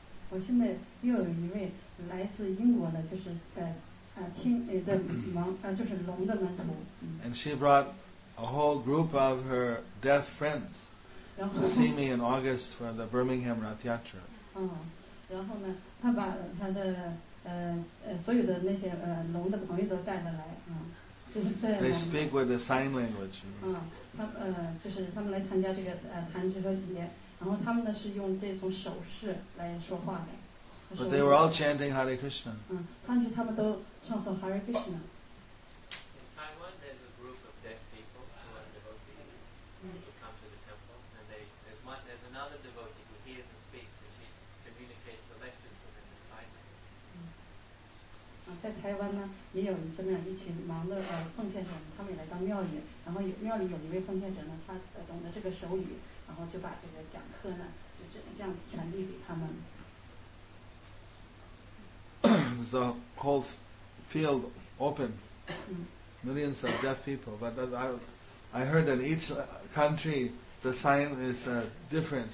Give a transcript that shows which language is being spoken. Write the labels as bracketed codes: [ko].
[zh] 我现在又有一位来自英国的，就是听的盲就是聋的门徒。 [en] And she brought a whole group of her deaf friends to see me in August for the Birmingham Rath Yatra. [zh] 然后呢，她把她的所有的那些聋的朋友都带了来。 [en] They speak with the sign language. [zh] 就是他们来参加这个弹指和节，然后他们呢是用这种手势来说话的。 [en] But they were all chanting Hare Krishna. [zh] 但是他们都唱诵 Hare Krishna. [en] In Taiwan, there's a group of deaf people who are devotees who come to the temple, and there's another devotee who hears and speaks, and she communicates the lectures to them in sign language. [zh] 在台湾呢。也有这么样一群忙的奉献者，他们也来到庙里，然后庙里有一位奉献者呢，他懂得这个手语，然后就把这个讲课呢，就这样子传递给他们。 [en] The whole field open, millions of deaf people. But I heard that each country the sign is different.